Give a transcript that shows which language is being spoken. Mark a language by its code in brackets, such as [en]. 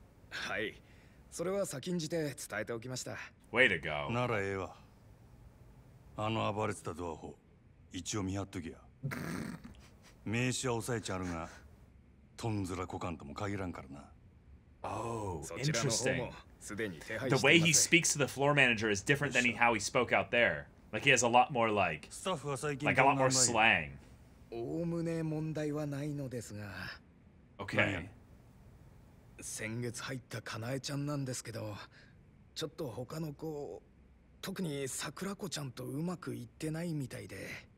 [ja] はい。それは先んじて伝えておきました。 [en] Way to go. [ja] ならええわ。あの暴れてたドアホ、一応見張っときや。名刺は押さえちゃるが、トンズラコカンとも限らんからな。 [en] Oh, interesting. The way he speaks to the floor manager is different than how he spoke out there. Like he has a lot more like, [ja] スタッフは最近 [en] like a lot more slang. [ja] おおむね問題はないのですが。 [en] Okay. [ja] 先月入ったカナエちゃんなんですけど、ちょっと他の子、特に桜子ちゃんとうまくいってないみたいで。